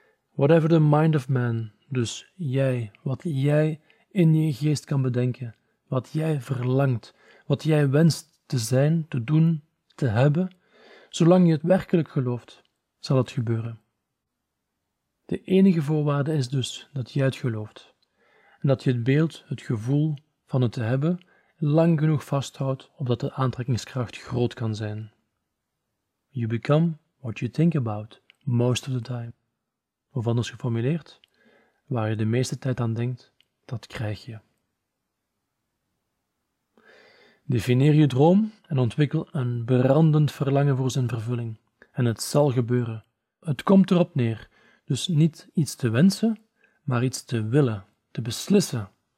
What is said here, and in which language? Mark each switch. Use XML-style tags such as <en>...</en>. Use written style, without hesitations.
<en>Whatever the mind of man,</en> <nl>dus jij, wat jij in je geest kan bedenken, wat jij verlangt, wat jij wenst te zijn, te doen, te hebben, zolang je het werkelijk gelooft, zal het gebeuren. De enige voorwaarde is dus dat jij het gelooft en dat je het beeld, het gevoel van het te hebben, lang genoeg vasthoudt opdat de aantrekkingskracht groot kan zijn.</nl> <en>You become what you think about most of the time.</en> <nl>Of anders geformuleerd, waar je de meeste tijd aan denkt, dat krijg je. Defineer je droom en ontwikkel een brandend verlangen voor zijn vervulling. En het zal gebeuren. Het komt erop neer. Dus niet iets te wensen, maar iets te willen, te beslissen.</nl>